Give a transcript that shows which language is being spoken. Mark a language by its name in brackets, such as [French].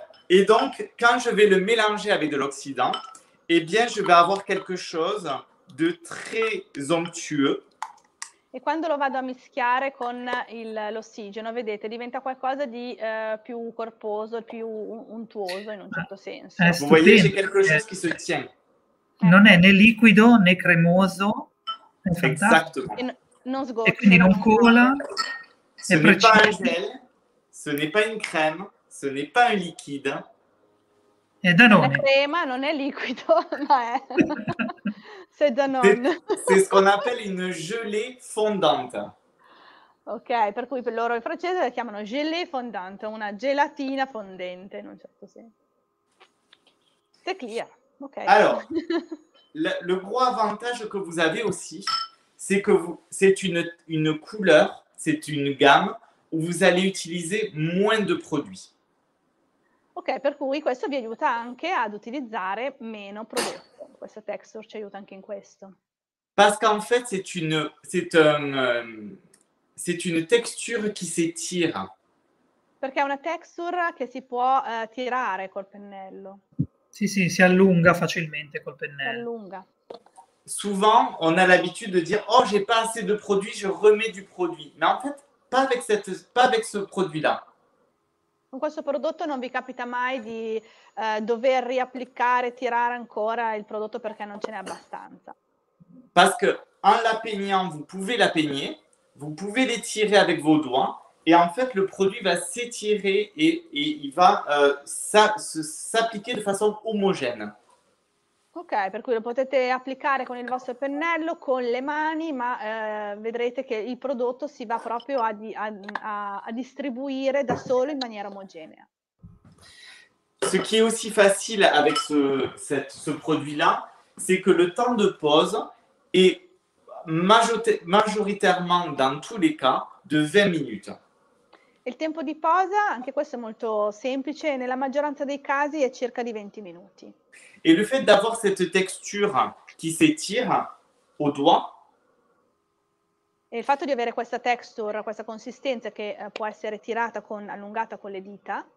[French] Et donc, quand je vais le mélanger avec de l'oxydant, eh bien, je vais avoir quelque chose de très onctueux. [Italian] E quando lo vado a mischiare con l'ossigeno, vedete, diventa qualcosa di più corposo, più untuoso in un certo senso. Vedete, c'è qualcosa che si tiene. Non è né liquido né cremoso. Esatto. Non sgocci. E quindi non cola. [French] Ce n'est pas un gel, ce n'est pas une crème. Ce n'est pas un liquide. [Italian] È Danone. La crema non è liquido, ma è. [French] C'est Danone. C'est ce qu'on appelle une gelée fondante. [Italian] Ok, per cui per loro in francese la chiamano gelée fondante, una gelatina fondente in un certo senso. [French] C'est clear. Ok. Alors, le gros avantage que vous avez aussi, c'est que c'est une couleur, c'est une gamme où vous allez utiliser moins de produits. [Italian] Ok, per cui questo vi aiuta anche ad utilizzare meno prodotto. Questa texture ci aiuta anche in questo. [French] Parce qu'en fait, c'est une texture qui s'étire. [Italian] Perché è una texture che si può tirare col pennello. Sì, sì, si allunga facilmente col pennello. Si allunga. [French] Souvent, on a l'habitude de dire « Oh, j'ai pas assez de produit, je remets du produit. » Mais en fait, pas avec ce produit-là. [Italian] Con questo prodotto non vi capita mai di dover riapplicare, tirare ancora il prodotto perché non ce n'è abbastanza. [French] Parce que en la peignant, vous pouvez la peigner, vous pouvez l'étirer avec vos doigts, et en fait, le produit va s'étirer et il va s'appliquer de façon homogène. [Italian] Ok, per cui lo potete applicare con il vostro pennello, con le mani, ma vedrete che il prodotto si va proprio a distribuire da solo in maniera omogenea. [French] Ce qui est aussi facile avec ce produit-là, c'est que le temps de pause et majoritairement dans tous les cas de 20 minutes. [Italian] Il tempo di posa, anche questo è molto semplice, nella maggioranza dei casi è circa di 20 minuti. E il fatto di avere questa textura che si tira [French] au doigt. [Italian] E il fatto di avere questa texture, questa consistenza che può essere tirata con allungata con le dita.